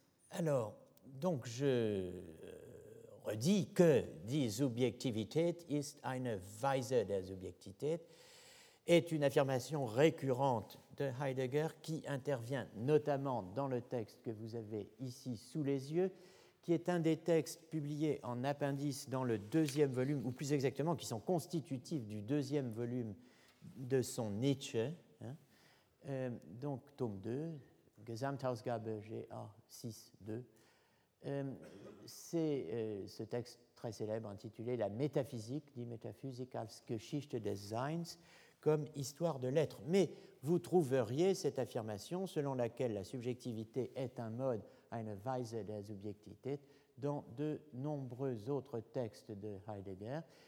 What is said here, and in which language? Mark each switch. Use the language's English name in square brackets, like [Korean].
[French] Alors, donc je redis que [German] die Subjektivität ist eine Weise der Subjektivität [French] est une affirmation récurrente de Heidegger qui intervient notamment dans le texte que vous avez ici sous les yeux, qui est un des textes publiés en appendice dans le deuxième volume, ou plus exactement, qui sont constitutifs du deuxième volume de son Nietzsche. Hein. Donc, tome 2, Gesamtausgabe GA 6.2. C'est ce texte très célèbre intitulé « La métaphysique, [German] die Metaphysik als Geschichte des Seins [French] » comme histoire de l'être. Mais vous trouveriez cette affirmation selon laquelle la subjectivité est un mode [German] eine Weise der Subjektivität, [French] dans de nombreux autres textes de Heidegger.